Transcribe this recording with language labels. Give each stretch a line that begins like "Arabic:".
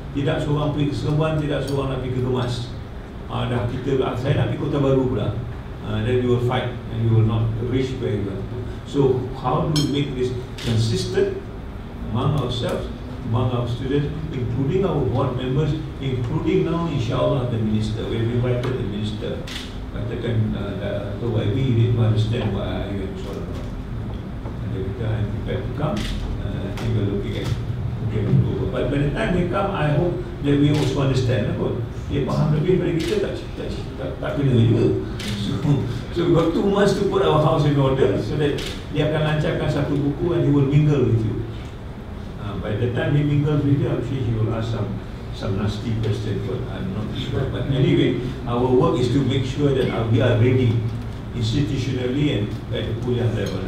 Malay: Tidak seorang pergi ke Seremban, tidak seorang nak pergi ke Gemas. Dah kita, saya nak pergi Kota Baru pula.
English: Then you will fight and you will not reach where you want. So how do we make this consistent among ourselves, among our students, including our board members, including now, inshallah, the minister. We have invited the minister. Katakan, you need to understand what you are talking about. Every time I'm prepared to come, I think we're looking at getting over. But by the time they come, I hope that we also understand.
Malay: Eh,
English: but they
Malay: paham lebih dari kita, tak kena juga.
English: So we've got 2 months to put our house in order so that
Malay: dia akan lancarkan satu buku
English: and he will mingle with you. By the time he mingles with you, I'm sure he will ask some nasty questions, but I'm not sure. But anyway, our work is to make sure that we are ready institutionally and at the kuliah level.